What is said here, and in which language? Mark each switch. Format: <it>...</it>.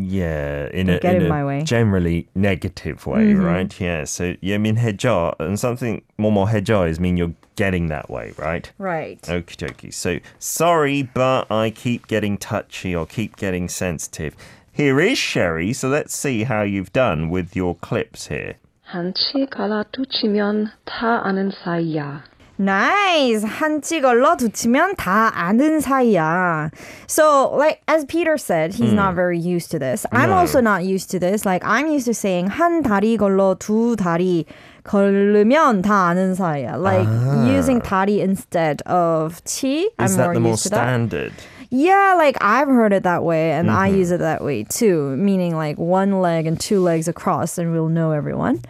<en>Yeah, in a generally negative way, mm-hmm. right? Yeah, so 예민해져, and something 뭐뭐해져 is mean you're getting that way, right? Right. Okie dokie. So sorry, but I keep getting touchy or keep getting sensitive. Here is Sherry, so let's see how you've done with your clips here.</en> <ko>한치 갈라두치면 다 아는 사이야.</ko> <en>Nice!</en> <ko>한치 걸러두치면 다 아는 사이야.</ko> <en>So, like, as Peter said, he's not very used to this. I'm also not used to this. Like, I'm used to saying</en> <ko>한 다리 걸러두 다리 걸르면 다 아는 사이야.</ko> <en>Like, using 다리 instead of 치, I'm more used to that. Is that the more standard? Yeah, like I've heard it that way, and mm-hmm. I use it that way too, meaning like one leg and two legs across, and we'll know everyone.</en>